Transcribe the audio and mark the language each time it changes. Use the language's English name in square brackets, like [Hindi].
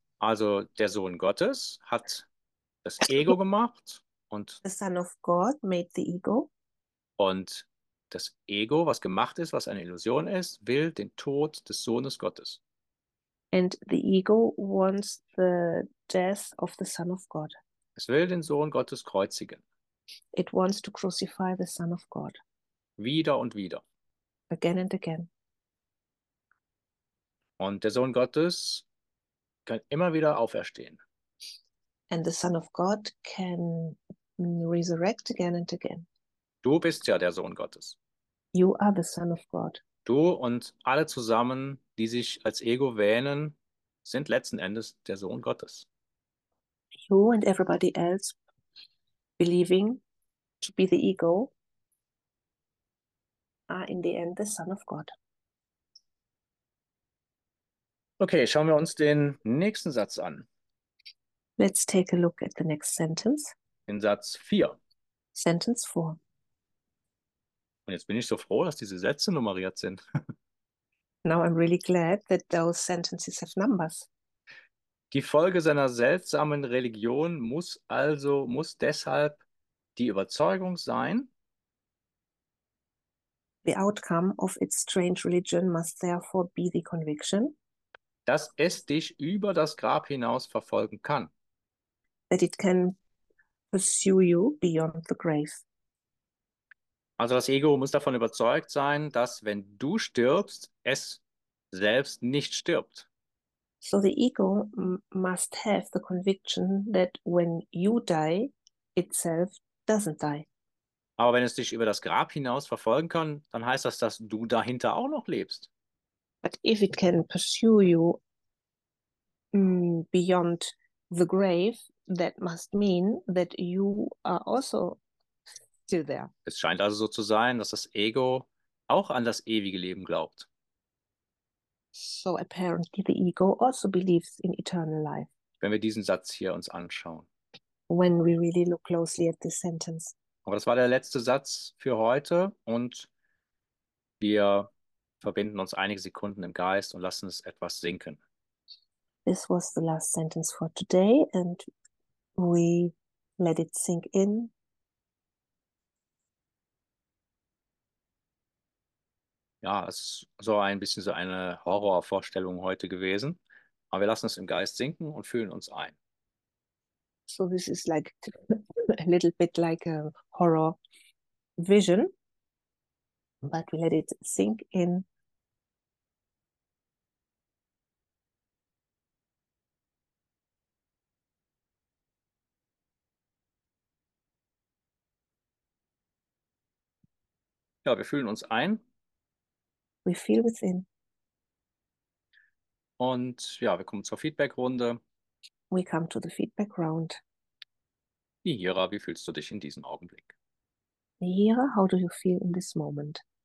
[German] Also der Sohn Gottes hat das Ego gemacht und [English] the Son of God made the ego. [German] Und das Ego, was gemacht ist, was eine Illusion ist, will den Tod des Sohnes Gottes. [English] And the ego wants the death of the Son of God. [German] Es will den Sohn Gottes kreuzigen. [English] It wants to crucify the Son of God. [German] Wieder und wieder. [English] Again and again. [German] Und der Sohn Gottes kann immer wieder auferstehen. [English] And the Son of God can resurrect again and again. [German] Du bist ja der Sohn Gottes. [English] You are the Son of God. [German] Du und alle zusammen, die sich als Ego wähnen, sind letzten Endes der Sohn Gottes. [English] You and everybody else believing to be the ego are in the end the Son of God. [German] Okay, schauen wir uns den nächsten Satz an. [English] Let's take a look at the next sentence. [German] In Satz 4. [English] Sentence 4. [German] Und jetzt bin ich so froh, dass diese Sätze nummeriert sind. [English] Now I'm really glad that those sentences have numbers. [German] Die Folge seiner seltsamen Religion muss deshalb die Überzeugung sein. [English] The outcome of its strange religion must therefore be the conviction. [German] Dass es dich über das Grab hinaus verfolgen kann. [English] That it can pursue you beyond the grave. [German] Also das Ego muss davon überzeugt sein, dass wenn du stirbst, es selbst nicht stirbt. [English] So the ego must have the conviction that when you die, itself doesn't die. [German] Aber wenn es dich über das Grab hinaus verfolgen kann, dann heißt das, dass du dahinter auch noch lebst. [English] But if it can pursue you beyond the grave, that must mean that you are also still there. [German] Es scheint also so zu sein, dass das Ego auch an das ewige Leben glaubt. [English] So apparently the ego also believes in eternal life. [German] Wenn wir diesen Satz hier uns anschauen. [English] When we really look closely at this sentence. [German] Aber das war der letzte Satz für heute und wir verbinden uns einige Sekunden im Geist und lassen es etwas sinken. [English] This was the last sentence for today and we let it sink in. [German] Ja, es ist so ein bisschen so eine Horrorvorstellung heute gewesen, aber wir lassen es im Geist sinken und fühlen uns ein. [English] So this is like a little bit like a horror vision, but we let it sink in. [German] Ja, wir fühlen uns ein. [English] We feel within. [German] Und ja, wir kommen zur Feedback-Runde. [English] We come to the feedback round. [German] Nihira, wie fühlst du dich in diesem Augenblick? [English] Nihira, how do you feel in this moment?